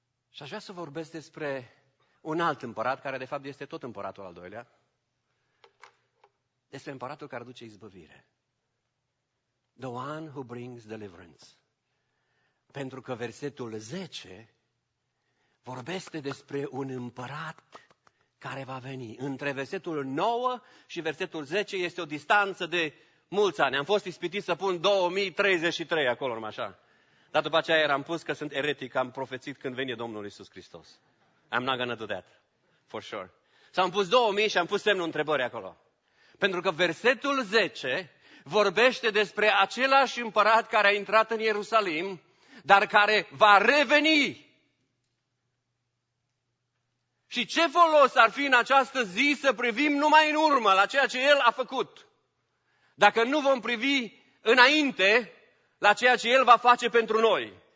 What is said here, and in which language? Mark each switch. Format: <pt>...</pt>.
<ro>Și aș vrea să vorbesc despre un alt împărat, care de fapt este tot împăratul al doilea, despre împăratul care aduce izbăvire.</ro> <en>The one who brings deliverance.</en> <ro>Pentru că versetul 10 vorbește despre un împărat care va veni. Între versetul 9 și versetul 10 este o distanță de mulți ani. Am fost ispitit să pun 2033 acolo, numai așa. Dar după aceea eram pus că sunt eretic, am profețit când vine Domnul Iisus Hristos.</ro> <en>I'm not gonna do that, for sure.</en> <ro>S-am pus 2000 și am pus semnul întrebării acolo. Pentru că versetul 10 vorbește despre același împărat care a intrat în Ierusalim, dar care va reveni. Și ce folos ar fi în această zi să privim numai în urmă la ceea ce El a făcut, dacă nu vom privi înainte la ceea ce El va face pentru noi.</ro>